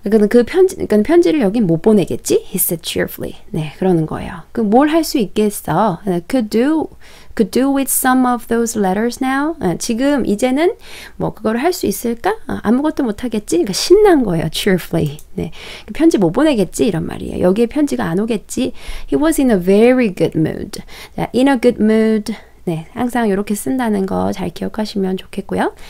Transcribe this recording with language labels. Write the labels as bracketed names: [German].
[Korean] 그러니까 편지를 여기 못 보내겠지? [English] He said cheerfully. [Korean] 네, 그러는 거예요. 그 뭘 할 수 있겠어? [English] Could do with some of those letters now. [Korean] 지금 이제는 뭐 그거를 할 수 있을까? 아무것도 못 하겠지. 그러니까 신난 거예요. Cheerfully. 네. 편지 못 보내겠지 이런 말이에요. 여기에 편지가 안 오겠지. [English] He was in a very good mood. 자, in a good mood. [Korean] 네, 항상 이렇게 쓴다는 거 잘 기억하시면 좋겠고요.